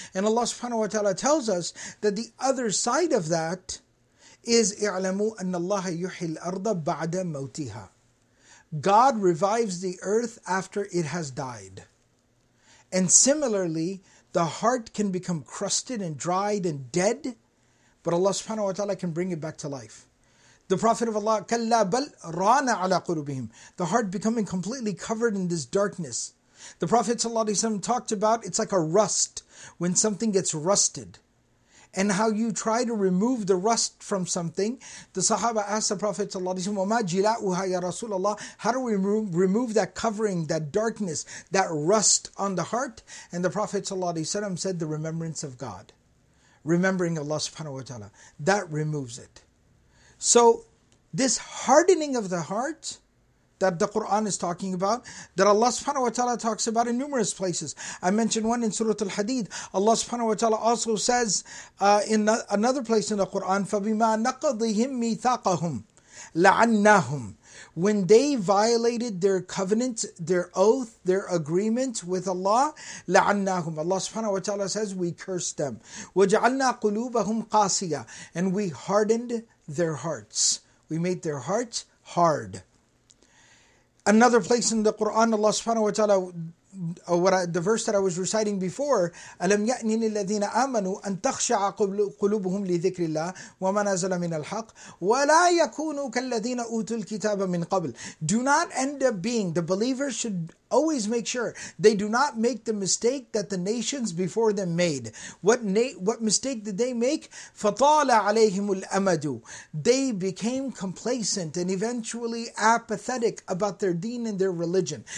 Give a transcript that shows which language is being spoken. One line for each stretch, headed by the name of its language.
English: And Allah subhanahu wa ta'ala tells us that the other side of that is
Arabic: اِعْلَمُوا أَنَّ اللَّهَ يُحِي الْأَرْضَ بَعْدَ مَوْتِهَا.
English: God revives the earth after it has died. And similarly, the heart can become crusted and dried and dead, but Allah subhanahu wa ta'ala can bring it back to life. The Prophet of Allah,
Arabic: كَلَّا بَلْ رَانَ عَلَىٰ قُلُوبِهِمْ.
English: The heart becoming completely covered in this darkness. The Prophet ﷺ talked about, it's like a rust, when something gets rusted. And how you try to remove the rust from something. The Sahaba asked the Prophet ﷺ,
Arabic: وَمَا جِلَاءُهَا يَا رَسُولَ اللَّهِ.
English: How do we remove that covering, that darkness, that rust on the heart? And the Prophet ﷺ said, the remembrance of God. Remembering Allah subhanahu wa ta'ala, that removes it. So this hardening of the heart that the Quran is talking about, that Allah subhanahu wa ta'ala talks about in numerous places. I mentioned one in Surah Al-Hadid. Allah subhanahu wa ta'ala also says in another place in the Quran,
Arabic: فَبِمَا نَقَضِهِمْ مِيثَاقَهُمْ لَعَنَّاهُمْ.
English: When they violated their covenant, their oath, their agreement with Allah,
Arabic: لَعَنَّاهُمْ.
English: Allah subhanahu wa ta'ala says, we cursed them.
Arabic: وَجَعَلْنَا قُلُوبَهُمْ قَاسِيَةً.
English: And we hardened their hearts. We made their hearts hard. Another place in the Quran, Allah subhanahu wa ta'ala, the verse that I was reciting before,
Arabic: أَلَمْ يَأْنِنِ الَّذِينَ آمَنُوا أَن تَخْشَعَ قُلُوبُهُمْ لِذِكْرِ اللَّهِ وَمَا نَزَلَ مِنَ الْحَقِّ وَلَا يَكُونُوا كَالَّذِينَ أُوتُوا الْكِتَابَ مِنْ قَبْلِ.
English: Do not end up being, the believers should always make sure, they do not make the mistake that the nations before them made. What mistake did they make?
Arabic: فَطَالَ عَلَيْهِمُ الْأَمَدُ.
English: They became complacent and eventually apathetic about their deen and their religion.